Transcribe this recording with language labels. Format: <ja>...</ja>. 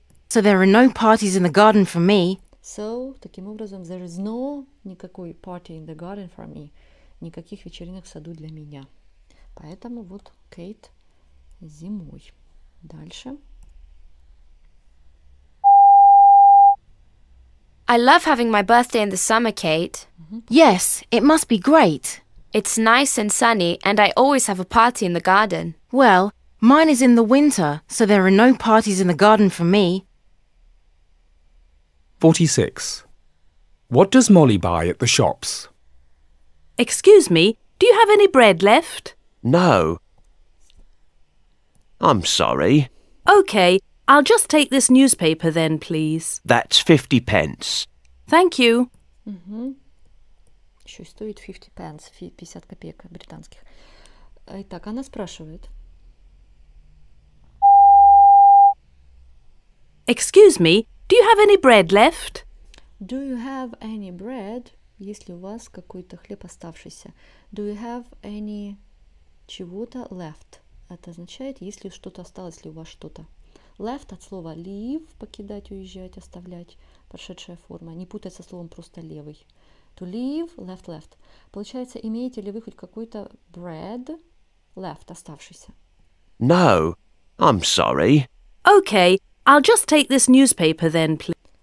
<en>So there are no parties in the garden for me. So,</en> <ru>таким образом,</ru> <en>there is no</en> <ru>никакой</ru> <en>party in the garden for me.</en> <ru>Никаких вечеринок в саду для меня. Поэтому вот Кейт зимой. Дальше.</ru> <en>I love having my birthday in the summer, Kate. Yes, it must be great. It's nice and sunny, and I always have a party in the garden. Well, mine is in the winter, so there are no parties in the garden for me. 46. What does Molly buy at the shops? Excuse me, do you have any bread left? No. I'm sorry. Okay, I'll just take this newspaper then, please. That's 50 pence. Thank you.</en> <ru>Еще стоит 50 pence, 50 копеек британских. Итак, она спрашивает.</ru> <en>Excuse me, do you have any bread left? Do you have any bread?</en> <ru>Если у вас какой-то хлеб оставшийся.</ru> <en>Do you have any</en> <ru>чего-то</ru> <en>left?</en> <ru>Это означает, если что-то осталось, ли у вас что-то. Left от слова leave, покидать, уезжать, оставлять, прошедшая форма. Не путать со словом просто левый.</ru> <en>To leave, left, left.</en> <ru>Получается, имеете ли вы хоть какой-то</ru> <en>bread left,</en> <ru>оставшийся?</ru> <en>No, I'm sorry. Okay, I'll just take this newspaper then, please.</en>